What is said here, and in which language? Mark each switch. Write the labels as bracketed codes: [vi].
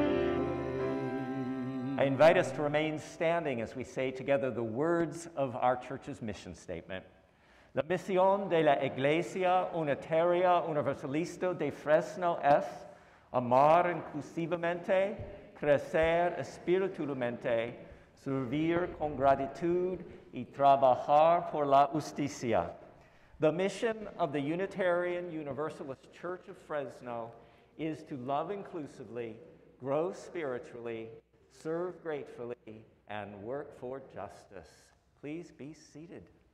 [en] invite us to remain standing as we say together the words of our church's mission statement. [es] La misión de la Iglesia Unitaria Universalista de Fresno es amar inclusivamente, crecer espiritualmente, servir con gratitud y trabajar por la justicia. [en] The mission of the Unitarian Universalist Church of Fresno is to love inclusively, grow spiritually, serve gratefully, and work for justice. Please be seated.